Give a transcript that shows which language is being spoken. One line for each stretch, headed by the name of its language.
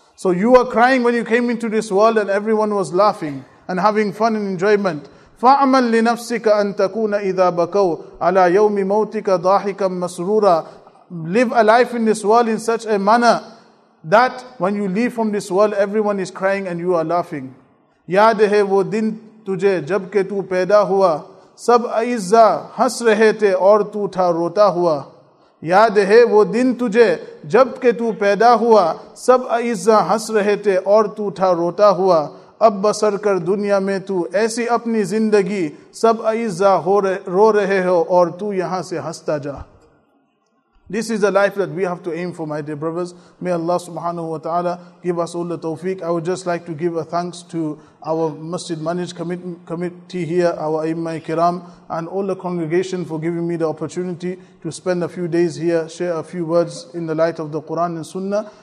English: So you were crying when you came into this world and everyone was laughing and having fun and enjoyment.
Arabic: فَعْمَلْ لِنَفْسِكَ أَن تَكُونَ إِذَا بَكَوْا عَلَىٰ يَوْمِ مَوْتِكَ ضَاحِكًا مَسْرُورًا.
English: Live a life in this world in such a manner that when you leave from this world, everyone is crying and you are laughing.
Urdu: یاد ہے وہ دن تجھے جب کہ تُو پیدا ہوا سب عیزہ ہس رہے تھے اور تُو تھا روتا ہوا. یاد ہے وہ دن تجھے جب کہ تُو پیدا ہوا سب عیزہ ہس رہے تھے اور تُو تھا روتا ہوا. اب بسر کر دنیا میں تو ایسی اپنی زندگی سب عیزہ رو رہے ہو اور تو یہاں سے ہستا جا.
English: This is the life that we have to aim for, my dear brothers. May Allah subhanahu wa ta'ala give us all the tawfiq. I would just like to give a thanks to our Masjid Managed Committee here, our Aimmah Kiram, and all the congregation for giving me the opportunity to spend a few days here, share a few words in the light of the Quran and Sunnah.